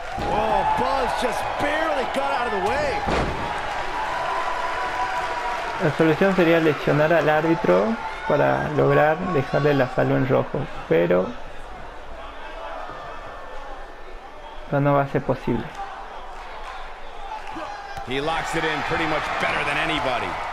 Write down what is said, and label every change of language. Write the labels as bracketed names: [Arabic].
[English] Oh, Buzz just barely got out of the way. [Spanish] La solución sería lesionar al árbitro para lograr dejarle la salud en rojo, pero no va a ser posible. [English] He locks it in pretty much better than anybody.